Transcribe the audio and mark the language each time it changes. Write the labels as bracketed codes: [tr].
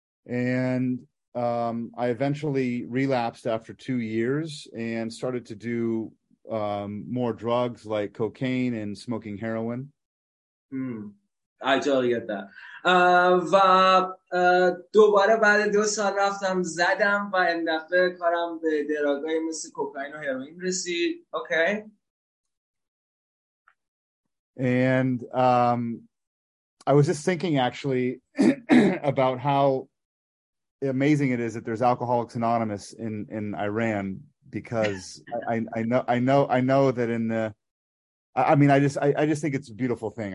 [en] And I eventually relapsed after 2 years and started to do more drugs like cocaine and smoking heroin. I totally get that. [fa] و دوباره بعد 2 سال رفتم زدم و این دفعه کارم به دراگای مثل کوکائین و هروئین رسید. [en] Okay. And I was just thinking actually about how amazing it is that there's Alcoholics Anonymous in Iran, because I know that in the, I just think it's a beautiful thing.